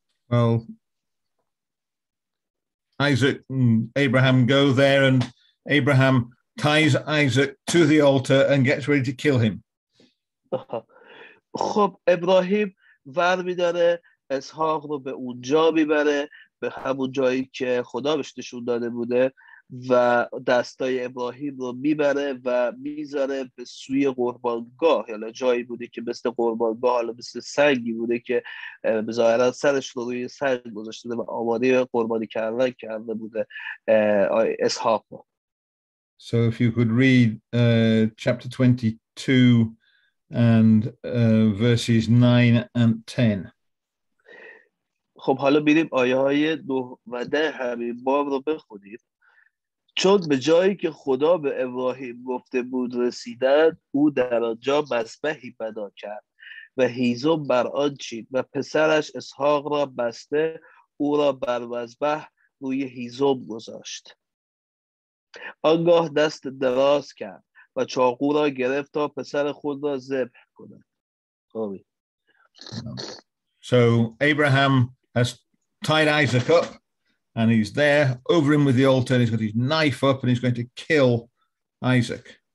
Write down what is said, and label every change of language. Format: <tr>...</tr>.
<en>Well, Isaac and Abraham go there and Abraham ties Isaac to the altar and gets ready to kill him.</en> <fa>خب ابراهیم ور میداره اسحاق رو به اونجا میبره به همون جایی که خدا بهش نشون داده بوده و دستای ابراهیم رو میبره و میذاره به سوی قربانگاه، یعنی جایی بوده که مثل قربانگاه، حالا مثل سنگی بوده که به ظاهر سرش رو روی سنگ گذاشته و آماده قربانی کردن کرده بوده اسحاق رو.</fa> <en>So if you could read chapter 22 and verses 9 and 10.</en> <fa>خب حالا بریم آیه های 9 و 10 همین باب رو بخونیم. چون به جایی که خدا به ابراهیم گفته بود رسیدند، او در آنجا مذبحی بنا کرد و هیزم بر آن چید و پسرش اسحاق را بسته او را بر مذبح روی هیزم گذاشت. آنگاه دست دراز کرد و چاقو را گرفت تا پسر خود را ذبح کند. آمین.</fa> <en>So Abraham has tied Isaac up and he's there over him with the altar and he's got his knife up and he's going to kill Isaac.</en>